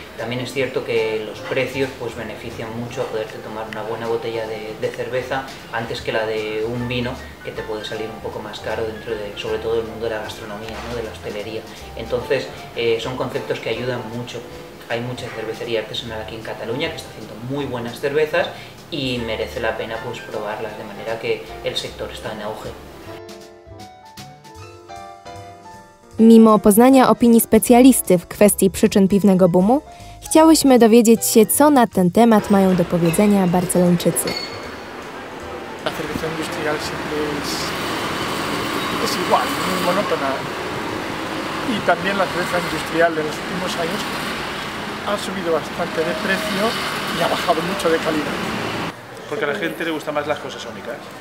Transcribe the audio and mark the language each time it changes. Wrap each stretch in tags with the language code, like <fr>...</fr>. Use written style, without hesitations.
<es>También es cierto que los precios pues benefician mucho a poderte tomar una buena botella de cerveza antes que la de un vino que te puede salir un poco más caro dentro de, sobre todo, el mundo de la gastronomía, ¿no?, de la hostelería. Entonces, son conceptos que ayudan mucho. Hay mucha cervecería artesanal aquí en Cataluña que está haciendo muy buenas cervezas y merece la pena pues probarlas, de manera que el sector está en auge.</es> <pl>Mimo poznania opinii specjalisty w kwestii przyczyn piwnego boomu, chciałyśmy dowiedzieć się, co na ten temat mają do powiedzenia Barcelończycy.</pl> <es>La cerveza industrial siempre es igual, muy monótona. Y también la cerveza industrial de los últimos años ha subido bastante de precio y ha bajado mucho de calidad. Porque a la gente le gustan más las cosas únicas.</es>